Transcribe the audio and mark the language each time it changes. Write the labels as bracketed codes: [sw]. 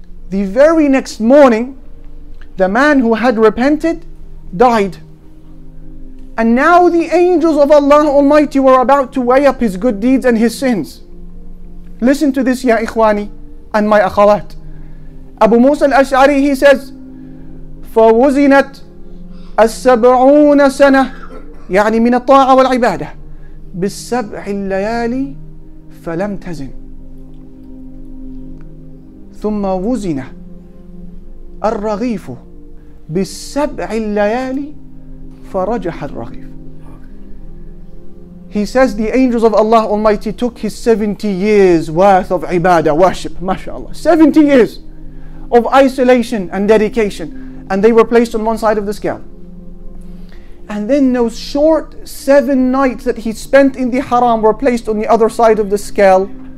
[en] The very next morning, the man who had repented died. And now the angels of Allah Almighty were about to weigh up his good deeds and his sins. Listen to this, [ar] Ya Ikhwani [en] and my Akhawat. [ar] Abu Musa al-Ash'ari, [en] he says, [ar] فَوُزِنَتْ السَّبْعُونَ سَنَةً يعني من الطاعة والعبادة بالسبع الليالي فلم تزن ثم وزن الرغيف بالسبع الليالي فرجح الرغيف. [en] He says the angels of Allah Almighty took his 70 years worth of ibadah, worship, mashallah, 70 years of isolation and dedication, and they were placed on one side of the scale. And then those short 7 nights that he spent in the haram were placed on the other side of the scale.